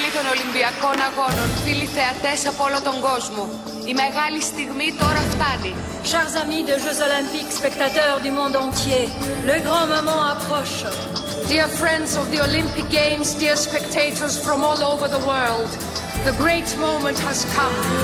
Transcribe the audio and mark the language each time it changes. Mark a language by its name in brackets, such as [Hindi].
[Greek] Ολυμπιακών αγώνων, φίλοι θεατές από όλο τον κόσμο. Η μεγάλη στιγμή τώρα φτάνει. [French] Chers amis des Jeux Olympiques, spectateurs du monde entier, le grand moment approche. [English] Dear friends of the Olympic Games, dear spectators from all over the world, the great moment has come.